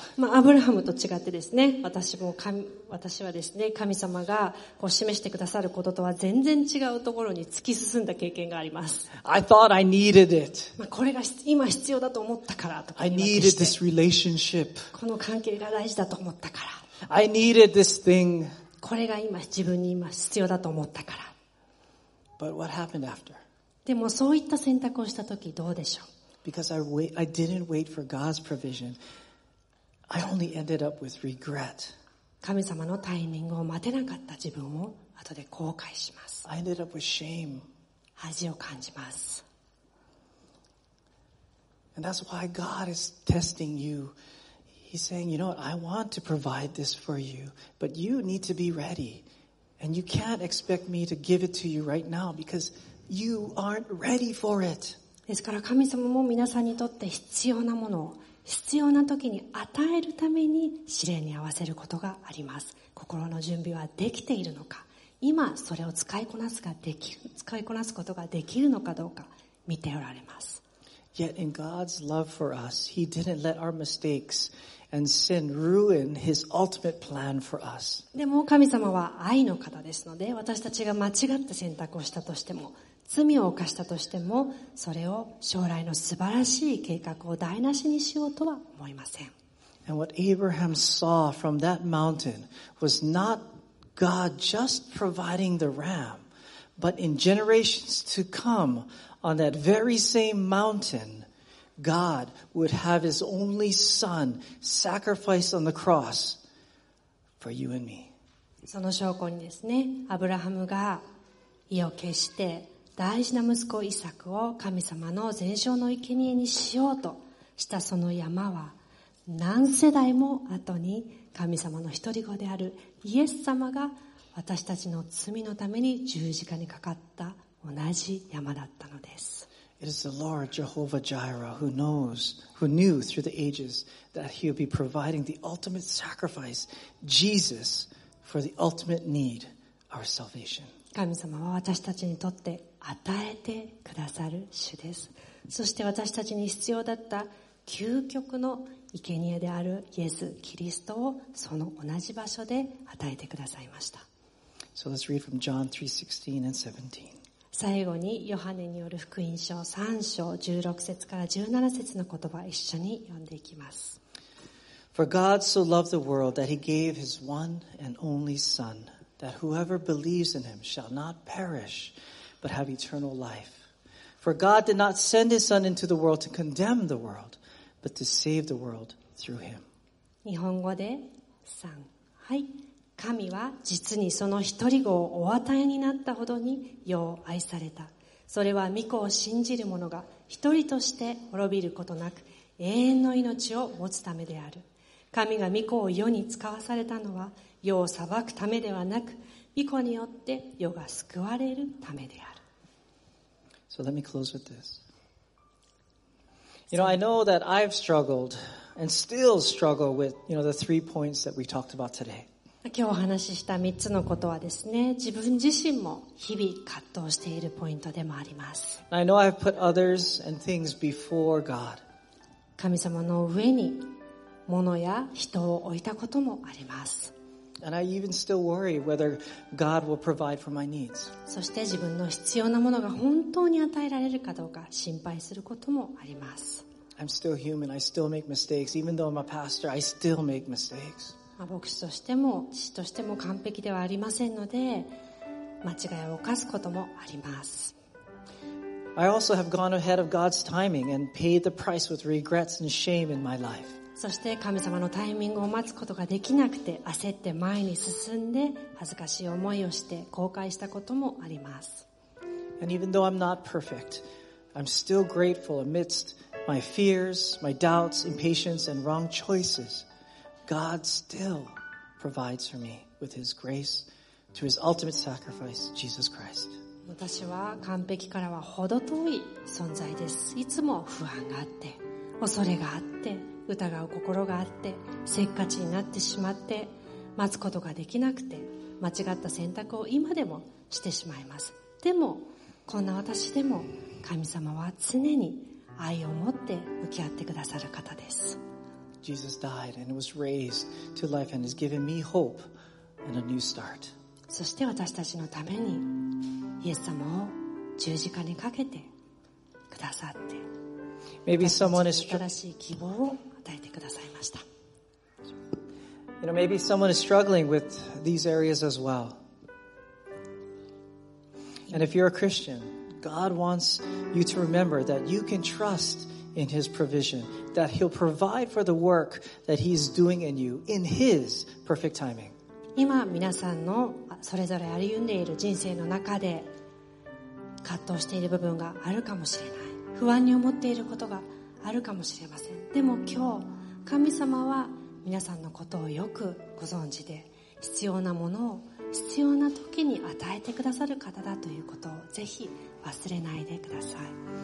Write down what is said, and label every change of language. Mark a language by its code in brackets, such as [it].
[ja] まあ、アブラハムと違ってですね、私はですね、神様がこう示してくださることとは全然違うところに突き進んだ経験があります。 [en] I thought I needed it. [ja] まあ、これが今必要だと思ったからとか。 [en] I needed this relationship. [ja] この関係が大事だと思ったから。 [en] I needed this thing. [ja] これが今自分に今必要だと思ったから。 [en] But what happened after? [ja] でもそういった選択をしたときどうでしょう? [en] Because I didn't wait for God's provision. I only ended up with regret. [ja] 神様のタイミングを待てなかった自分を後で後悔します。 [en] I ended up with shame. [ja] 恥を感じます。 [en] And that's why God is testing you. He's saying, you know what, I want to provide this for you, but you need to be ready. And you can't expect me to give it to you right now because you aren't ready for it. [ja] ですから神様も皆さんにとって必要なものを必要な時に与えるために試練に合わせることがあります。心の準備はできているのか、今それを使いこなすことができるのかどうか見ておられます。 [en] Yet in God's love for us, He didn't let our mistakes and sin ruin His ultimate plan for us. [ja] でも神様は愛の方ですので、私たちが間違った選択をしたとしても、罪を犯したとしても、それを将来の素晴らしい計画を台無しにしようとは思いません。 [en] And what Abraham saw from that mountain was not God just providing the ram, but in generations to come, on that very same mountain, God would have His only Son sacrificed on the cross for you and me. [ja] その証拠にですね、アブラハムが意を決して、大事な息子イサクを神様の全焼の生贄にしようとしたその山は何世代も後に神様の一人子であるイエス様が私たちの罪のために十字架にかかった同じ山だったのです。 [en] It is the Lord Jehovah Jireh who knows, who knew through the ages that He would be providing the ultimate sacrifice, Jesus, for the ultimate need, our salvation. [ja] 神様は私たちにとって与えてくださる主です。そして私たちに必要だった究極の生贄であるイエス・キリストをその同じ場所で与えてくださいました。 [en] So let's read from John 3:16 and 17. [ja] 最後にヨハネによる福音書3章16節から17節の言葉を一緒に読んでいきます。 [en] For God so loved the world that He gave His one and only Son. That whoever believes in him shall not perish, but have eternal life. For God did not send his son into the world to condemn the world, but to save the world through him. [ja] 日本語で3。はい。神は実にその一人子をお与えになったほどによう愛された。それは御子を信じる者が一人として滅びることなく永遠の命を持つためである。神が御子を世に遣わされたのは世を裁くためではなく、御子によって世が救われるためである。 [en] So let me close with this. You know, I know that I've struggled and still struggle with, you know, the three points that we talked about today. [ja] 今日お話しした3つのことはですね、自分自身も日々葛藤しているポイントでもあります。 [en] I know I've put others and things before God. [ja] 神様の上に物や人を置いたこともあります。 [en] And I even still worry whether God will provide for my needs. [ja] そして自分の必要なものが本当に与えられるかどうか心配することもあります。 [en] I'm still human. I still make mistakes. Even though I'm a pastor, I still make mistakes. [ja] 牧師としても父としても完璧ではありませんので間違いを犯すこともあります。 [en] I also have gone ahead of God's timing and paid the price with regrets and shame in my life. [ja] そして神様のタイミングを待つことができなくて焦って前に進んで恥ずかしい思いをして後悔したこともあります。 [en] And even though I'm not perfect, I'm still grateful amidst my fears, my doubts, impatience and wrong choicesGod still provides for me with His grace through His ultimate sacrifice, Jesus Christ. [ja] 私は完璧からは程遠い存在です。いつも不安があって、恐れがあって、疑う心があって、せっかちになってしまって、待つことができなくて、間違った選択を今でもしてしまいます。でも、こんな私でも神様は常に愛を持って向き合ってくださる方です。 [en] Jesus died and was raised to life and has given me hope and a new start. [ja] そして私たちのためにイエス様を十字架にかけてくださって、 [en] Maybe someone is [ja] 新しい希望を与えてくださいました。 [en] You know, maybe someone is struggling with these areas as well. And if you're a Christian, God wants you to remember that you can trust in His provision. That He'll provide for the work that He's doing in you in His perfect timing. [ja] 今皆さんのそれぞれ歩んでいる人生の中で葛藤している部分があるかもしれない。不安に思っていることがあるかもしれません。でも今日神様は皆さんのことをよくご存知で必要なものを必要な時に与えてくださる方だということをぜひ忘れないでください。